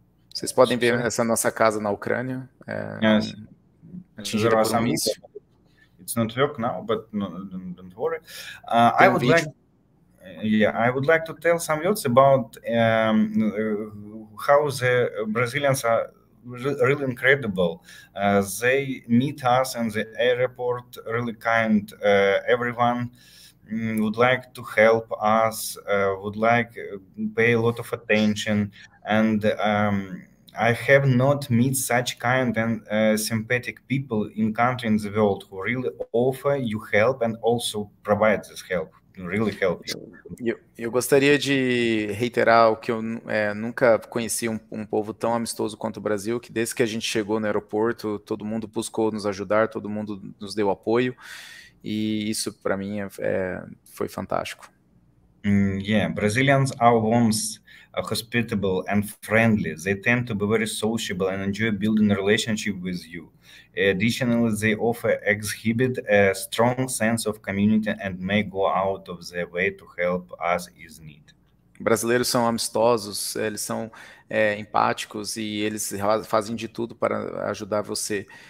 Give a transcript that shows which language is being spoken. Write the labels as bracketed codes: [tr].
[pt] Vocês podem ver essa nossa casa na Ucrânia. Yes. Atingida por um míssil. [en] It's not work now, but no, don't worry. I would like to tell some words about how the Brazilians are really incredible. They meet us in the airport, really kind. Everyone would like to help us, would like pay a lot of attention, and I have not met such kind and sympathetic people in country in the world who really offer you help and also provide this help, really help you. [pt] Eu gostaria de reiterar o que eu nunca conheci um povo tão amistoso quanto o Brasil, que desde que a gente chegou no aeroporto, todo mundo buscou nos ajudar, todo mundo nos deu apoio, e isso para mim foi fantástico. [en] Yeah, Brazilians are warms, hospitable and friendly. They tend to be very sociable and enjoy building a relationship with you. Additionally, they often exhibit a strong sense of community and may go out of their way to help us if need. [pt] Brasileiros são amistosos, eles são empáticos, e eles fazem de tudo para ajudar você.